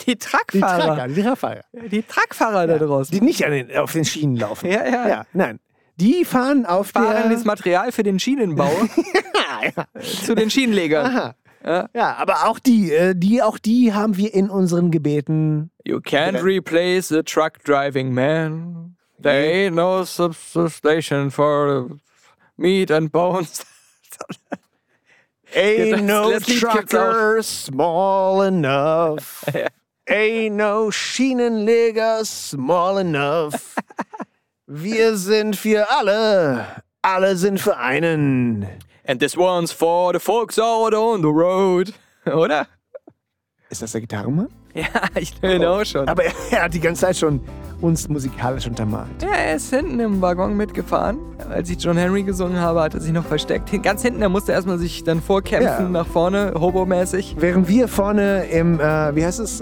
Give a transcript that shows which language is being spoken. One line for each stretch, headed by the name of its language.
German: Die Truckfahrer. Die Truckfahrer. Die Truckfahrer da draußen. Die nicht auf den Schienen laufen. Ja, ja. Ja, nein. Die fahren auf der... Fahrendes Material für den Schienenbau. Zu den Schienenlegern. Aha. Ja, aber auch die haben wir in unseren Gebeten.
English: You can't replace the truck driving man. There ain't no substation for meat and bones. Ain't no trucker small enough. Ain't no Schienenleger small enough.
German: Wir sind für alle. Alle sind für einen.
English: And this one's for the folks out on the road.
German: Oder? Ist das der Gitarrenmann? Ja, ich höre ihn auch schon. Aber er hat die ganze Zeit schon uns musikalisch untermalt. Ja, er ist hinten im Waggon mitgefahren. Als ich John Henry gesungen habe, hat er sich noch versteckt. Ganz hinten, er musste erstmal sich dann vorkämpfen, ja, nach vorne, Hobo-mäßig. Während wir vorne im, wie heißt es?